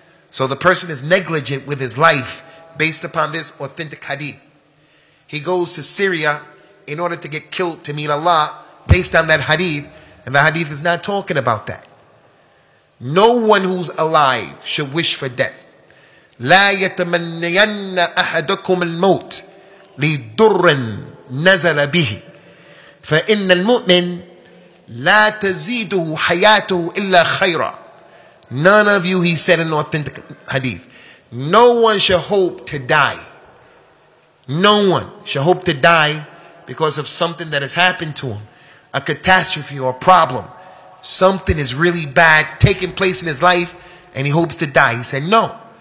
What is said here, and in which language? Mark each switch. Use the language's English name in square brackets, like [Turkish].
[English] So the person is negligent with his life based upon this authentic hadith. He goes to Syria in order to get killed to meet Allah based on that hadith. And the hadith is not talking about that. No one who's alive should wish for death. [Arabic] لا يتمنين أحدكم الموت لدر نزل به فإن المؤمن لا تزيده حياته إلا خيرا. [English] None of you, he said in authentic hadith, no one shall hope to die. No one shall hope to die because of something that has happened to him, a catastrophe or a problem. Something is really bad taking place in his life and he hopes to die. He said no.